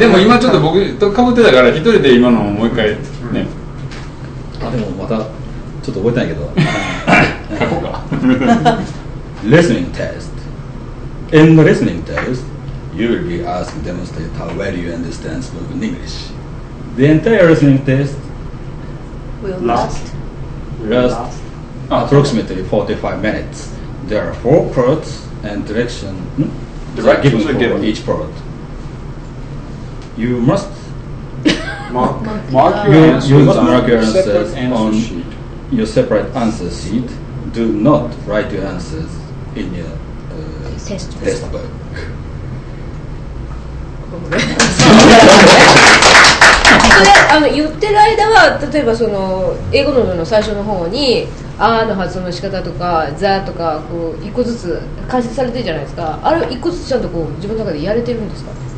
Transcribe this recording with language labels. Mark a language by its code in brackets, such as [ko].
[ja] でも今ちょっと僕とかぶってたから一人で今のもう一回ね。あでもまたちょっと覚えてないけど。書こうか。 [en] Listening test. In the listening test, you will be asked to demonstrate how well you understand spoken English. The entire listening test will last approximately 45 minutes. There are four parts and directions are given for each part. You must mark your answers on your separate answer sheet. Do not write your answers in your test book. [ja] それ言ってる間は例えばその英語 の最初の方にあーの発音の仕方とかザーとかこう一個ずつ解説されてるじゃないですか。あれ一個ずつちゃんとこう自分の中でやれてるんですか。